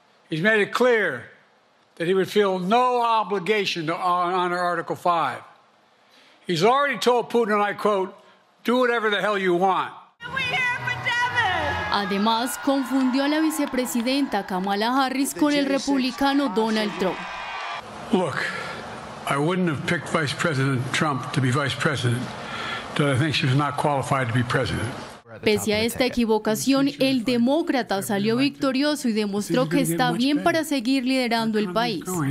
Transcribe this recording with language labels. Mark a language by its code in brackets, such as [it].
[en] He's made it clear that he would feel no obligation to honor Article 5. He's already told Putin, and I quote, "Do whatever the hell you want." [es] Además, confundió a la vicepresidenta Kamala Harris con el republicano Donald Trump. [en] Look, I wouldn't have picked Vice President Trump to be vice president, but I think she was not qualified to be president. [es] Pese a esta equivocación, el demócrata salió victorioso y demostró que está bien para seguir liderando el país.